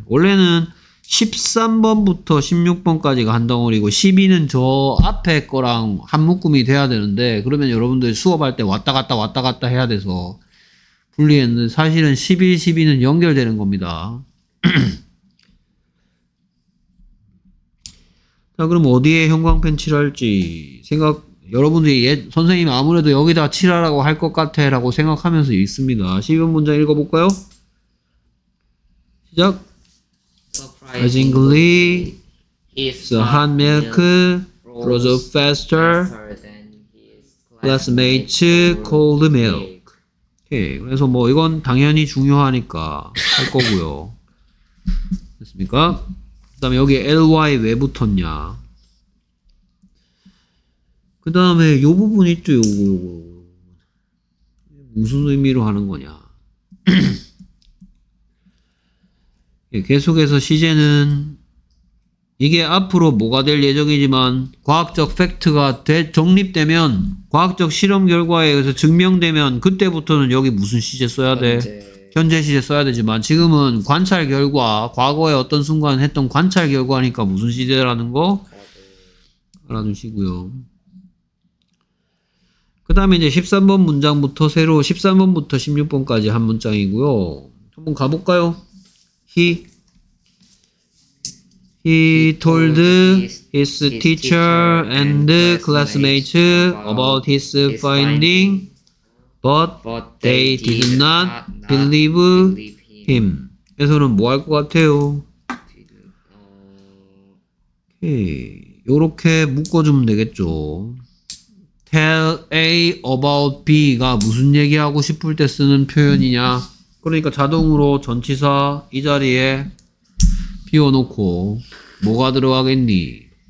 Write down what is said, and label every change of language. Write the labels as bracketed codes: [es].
[ko] 원래는 13번부터 16번까지가 한 덩어리고 12는 저 앞에 거랑 한 묶음이 돼야 되는데 그러면 여러분들이 수업할 때 왔다 갔다 해야 돼서 분리했는데 사실은 11, 12는 연결되는 겁니다. 자 그럼 어디에 형광펜 칠할지 생각 여러분들이 선생님 아무래도 여기다 칠하라고 할 것 같아 라고 생각하면서 있습니다. 12번 문장 읽어볼까요? 시작. [en] Surprisingly, the hot milk froze faster than his classmate's cold milk. [ko] 오케이. 그래서 뭐 이건 당연히 중요하니까 할 거고요. 됐습니까? 그다음에 여기 ly 왜 붙었냐? 그다음에 요 부분 있죠. 요거. 무슨 의미로 하는 거냐? 계속해서 시제는 이게 앞으로 뭐가 될 예정이지만 과학적 팩트가 정립되면 과학적 실험 결과에 의해서 증명되면 그때부터는 여기 무슨 시제 써야 돼? 현재 시제 써야 되지만 지금은 관찰 결과 과거에 어떤 순간 했던 관찰 결과니까 무슨 시제라는 거? 알아두시고요. 그 다음에 이제 13번 문장부터 새로 13번부터 16번까지 한 문장이고요. 한번 가볼까요? [en] He told his teacher and classmates about his finding, but they did not believe him. [ko] 에서는 뭐 할 것 같아요? 이렇게 묶어주면 되겠죠. [en] Tell A about B [ko] 가 무슨 얘기하고 싶을 때 쓰는 표현이냐? 그러니까 자동으로 전치사 이 자리에 비워놓고 뭐가 들어가겠니?